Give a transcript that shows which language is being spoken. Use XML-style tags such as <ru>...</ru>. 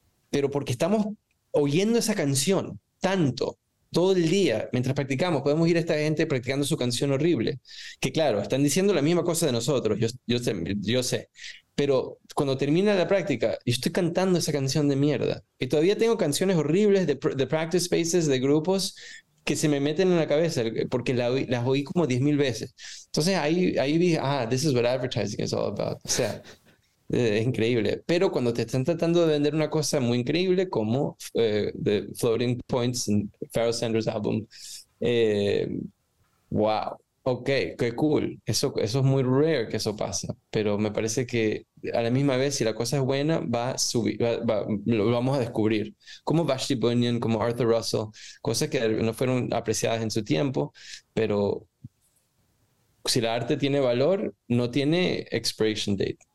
<es>Pero porque estamos oyendo esa canción tanto, todo el día, mientras practicamos, podemos ir a esta gente practicando su canción horrible, que claro, están diciendo la misma cosa de nosotros, yo sé, pero cuando termina la práctica, yo estoy cantando esa canción de mierda, y todavía tengo canciones horribles de practice spaces, de grupos, que se me meten en la cabeza, porque las oí como 10.000 veces. Entonces ahí dije, ah,</es> <en>this is what advertising is all about.</en> <es>O sea, es increíble, pero cuando te están tratando de vender una cosa muy increíble como The Floating Points en Pharoah Sanders' álbum, wow, ok, qué cool, eso es muy rare que eso pase, pero me parece que a la misma vez, si la cosa es buena, va a subir, lo vamos a descubrir, como Vashti Bunyan, como Arthur Russell, cosas que no fueron apreciadas en su tiempo, pero si el arte tiene valor, no tiene expiration date.</es>